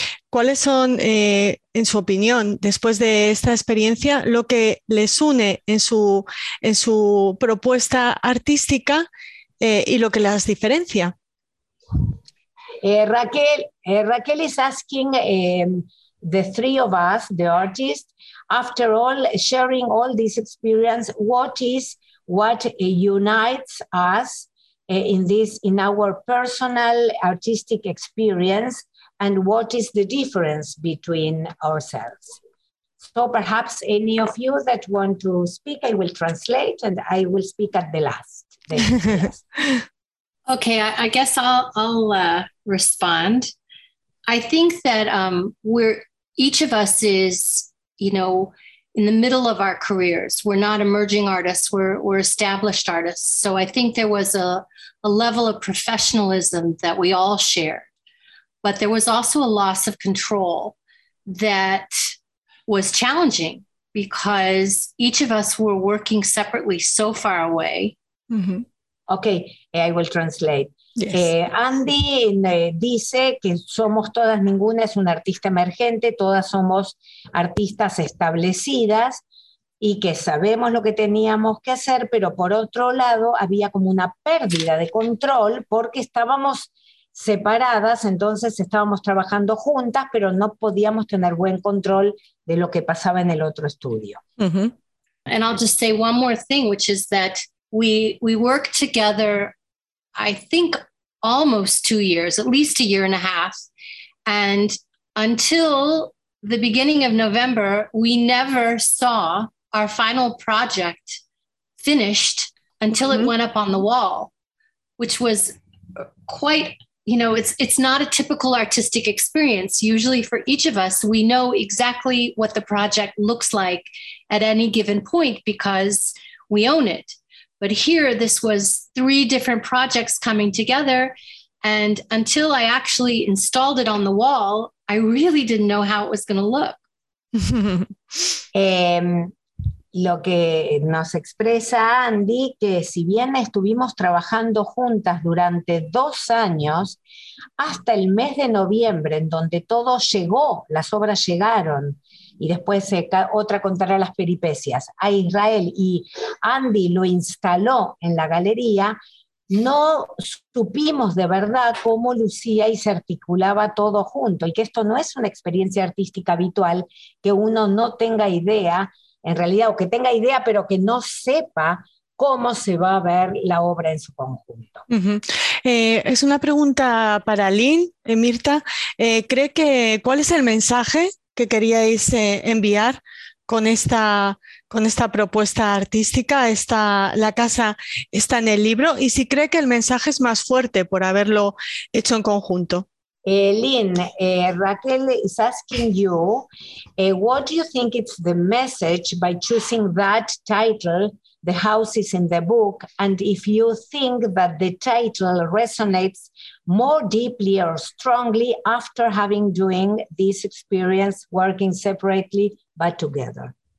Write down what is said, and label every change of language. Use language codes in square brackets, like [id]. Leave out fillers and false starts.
[es] ¿Cuáles son, en su opinión, después de esta experiencia, lo que les une en su propuesta artística y lo que las diferencia? [en] Raquel is asking the three of us, the artists, after all, sharing all this experience, what unites us in our personal artistic experience, and what is the difference between ourselves. So perhaps any of you that want to speak, I will translate, and I will speak at the last. Okay, I guess I'll respond. I think that each of us is, you know, in the middle of our careers. We're not emerging artists, we're established artists. So I think there was a level of professionalism that we all shared, but there was also a loss of control that was challenging, because each of us were working separately so far away. Mm-hmm. Okay, I will translate. Yes. [es] Andy dice que somos todas, ninguna es una artista emergente, todas somos artistas establecidas y que sabemos lo que teníamos que hacer, pero por otro lado había como una pérdida de control porque estábamos separadas, entonces estábamos trabajando juntas, pero no podíamos tener buen control de lo que pasaba en el otro estudio. [en] Uh-huh. And I'll just say one more thing, which is that we worked together, I think, almost 2 years, at least a year and a half. And until the beginning of November, we never saw our final project finished until it went up on the wall, which was quite, you know, it's not a typical artistic experience. Usually for each of us, we know exactly what the project looks like at any given point because we own it. But here, this was three different projects coming together. And until I actually installed it on the wall, I really didn't know how it was going to look. [es] Lo que nos expresa Andy, que si bien estuvimos trabajando juntas durante 2 años, hasta el mes de noviembre, en donde todo llegó, las obras llegaron, y después otra contará las peripecias, a Israel, y Andy lo instaló en la galería, no supimos de verdad cómo lucía y se articulaba todo junto, y que esto no es una experiencia artística habitual, que uno no tenga idea, en realidad, o que tenga idea, pero que no sepa cómo se va a ver la obra en su conjunto. Es una pregunta para Lynn, Mirta. ¿Cree que cuál es el mensaje que queríais enviar con esta propuesta artística? La casa está en el libro. ¿Y si cree que el mensaje es más fuerte por haberlo hecho en conjunto? [en] Lynn, Raquel is asking you, what do you think it's the message by choosing that title, The House is in the Book, and if you think that the title resonates more deeply or strongly after having doing this experience working separately but together?